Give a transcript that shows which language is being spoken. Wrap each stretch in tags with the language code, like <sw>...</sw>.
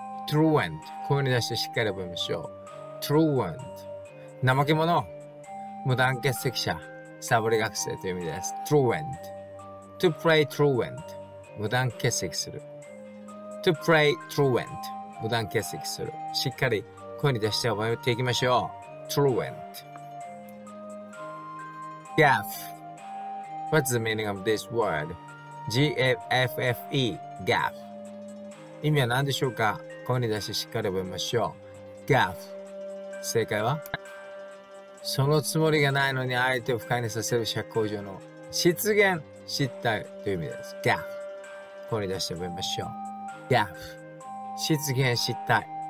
<ja>Truant 声に出してしっかり覚えましょう。Truant 怠け者、無断欠席者、サボり学生という意味です。</ja> <en>Truant To play truant</en> <ja>無断欠席する。</ja> <en>To play truant</en> <ja>無断欠席する。しっかり声に出して覚えていきましょう。</ja> <en>Truant Gaff What's the meaning of this word?</en> <ja>G-A-F-F-E Gaff 意味は何でしょうか。声に出してしっかり覚えましょう。Gaff 正解はそのつもりがないのに相手を不快にさせる社交上の失言、失態という意味です。 Gaff 声に出して覚えましょう。Gaff 失言、失態。</ja>